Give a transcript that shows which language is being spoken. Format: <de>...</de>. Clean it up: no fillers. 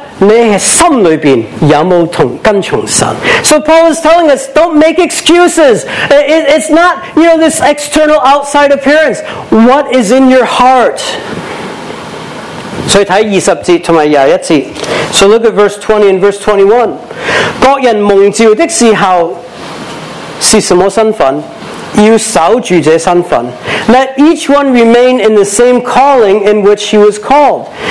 <zh>所以保罗在强调，你不要用藉口，你不要以为不行，你心里面有没有跟从神。</zh> <en>So Paul is telling us, don't make excuses. It's not, you know, this external outside appearance. What is in your heart?</en> <zh>所以看20节和21节。</zh> <en>So look at verse 20 and verse 21.</en> <zh>各人蒙召的时候， 是什么身份？要守住这身份。</zh> <en>Let each one remain in the same calling in which he was called.</en>